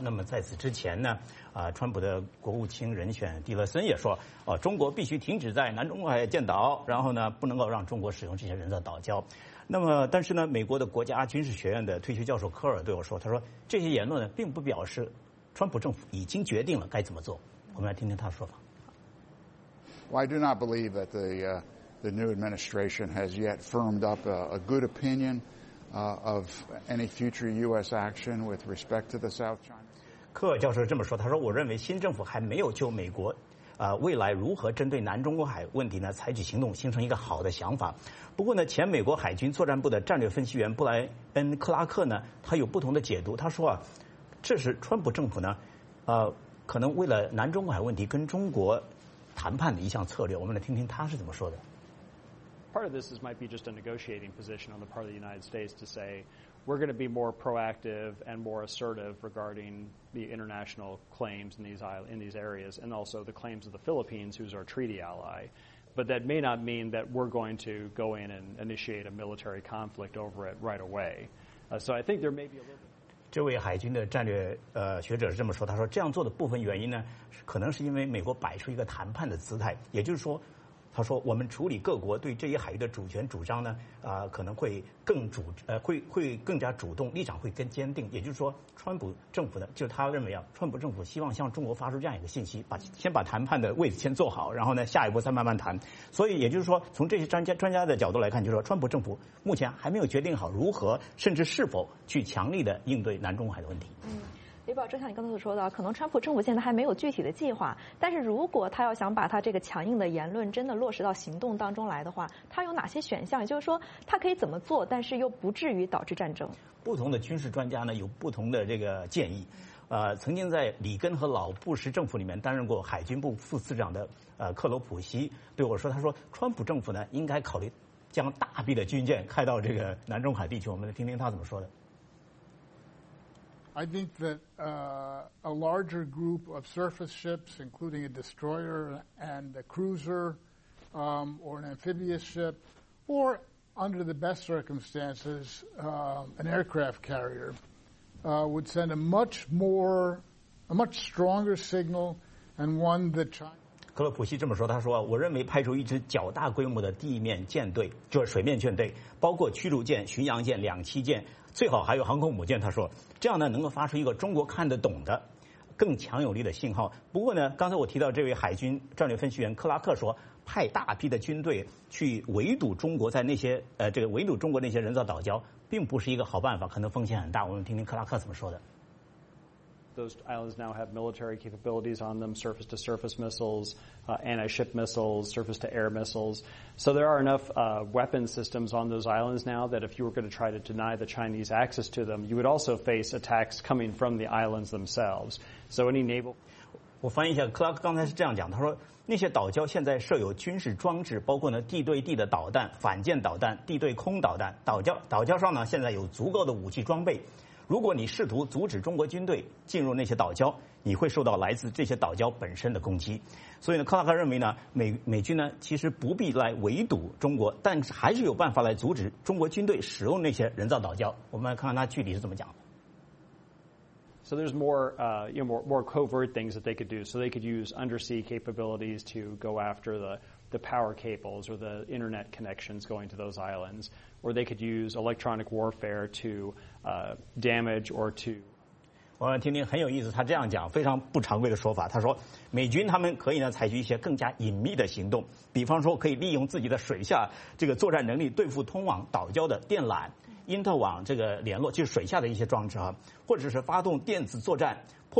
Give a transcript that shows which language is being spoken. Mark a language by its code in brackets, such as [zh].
[zh] 那么在此之前呢，川普的国务卿人选蒂勒森也说，中国必须停止在南中国海建岛，然后呢，不能够让中国使用这些人造岛礁。那么但是呢，美国的国家军事学院的退休教授科尔对我说，他说这些言论呢并不表示川普政府已经决定了该怎么做。我们来听听他的说法。 [en] Well, I do not believe that the new administration has yet firmed up a good opinion of any future U.S. action with respect to the South China. [zh] 科尔教授这么说，他说我认为新政府还没有就美国未来如何针对南中国海问题呢采取行动形成一个好的想法。不过呢，前美国海军作战部的战略分析员布莱恩·克拉克呢，他有不同的解读。他说啊，这是川普政府呢，可能为了南中国海问题跟中国谈判的一项策略。我们来听听他是怎么说的。 [en] Part of this is might be just a negotiating position on the part of the United States to say we're going to be more proactive and more assertive regarding the international claims in these areas and also the claims of the Philippines, who's our treaty ally. But that may not mean that we're going to go in and initiate a military conflict over it right away. So I think there may be a little bit. [zh] 这位海军的战略学者是这么说，他说这样做的部分原因呢，可能是因为美国摆出一个谈判的姿态，也就是说，他说我们处理各国对这一海域的主权主张呢，可能会更主会更加主动，立场会更坚定。也就是说，川普政府呢，就他认为啊，川普政府希望向中国发出这样一个信息，先把谈判的位置先做好，然后呢，下一步再慢慢谈。所以也就是说，从这些专家的角度来看，就是说，川普政府目前还没有决定好如何，甚至是否去强力的应对南中国海的问题。嗯，李宝，正像你刚才所说的，可能川普政府现在还没有具体的计划，但是如果他要想把他这个强硬的言论真的落实到行动当中来的话，他有哪些选项？也就是说，他可以怎么做，但是又不至于导致战争？不同的军事专家呢，有不同的这个建议。曾经在里根和老布什政府里面担任过海军部副司长的克罗普西对我说，他说川普政府呢，应该考虑将大批的军舰开到这个南中海地区。我们来听听他怎么说的。 [en] I think that a larger group of surface ships, including a destroyer and a cruiser, or an amphibious ship, or under the best circumstances, an aircraft carrier, would send a much stronger signal and one that China... [zh] 克洛普西这么说，他说我认为派出一支较大规模的地面舰队，就是水面舰队，包括驱逐舰、巡洋舰、两栖舰，最好还有航空母舰，他说这样呢能够发出一个中国看得懂的更强有力的信号。不过呢，刚才我提到这位海军战略分析员克拉克说，派大批的军队去围堵中国在那些围堵中国那些人造岛礁并不是一个好办法，可能风险很大。我们听听克拉克怎么说的。 [en] Those islands now have military capabilities on them, surface-to-surface missiles, anti-ship missiles, surface-to-air missiles. So there are enough weapon systems on those islands now that if you were going to try to deny the Chinese access to them, you would also face attacks coming from the islands themselves. So any naval... [zh] 我翻译一下 ,Clark 刚才是这样讲，他说那些岛礁现在设有军事装置，包括呢地对地的导弹、反舰导弹、地对空导弹，岛礁上呢现在有足够的武器装备。如果你试图阻止中国军队进入那些岛礁，你会受到来自这些岛礁本身的攻击。所以呢，克拉克认为呢，美军呢其实不必来围堵中国，但还是有办法来阻止中国军队使用那些人造岛礁。我们来看看他具体是怎么讲的。 [en] So there's more, more covert things that they could do. So they could use undersea capabilities to go after the power cables or the internet connections going to those islands. Or they could use electronic warfare to damage or to. [zh] 我想听听很有意思，他这样讲非常不常规的说法。他说，美军他们可以呢采取一些更加隐秘的行动，比方说可以利用自己的水下这个作战能力对付通往岛礁的电缆、因特网这个联络，就是水下的一些装置啊，或者是发动电子作战，破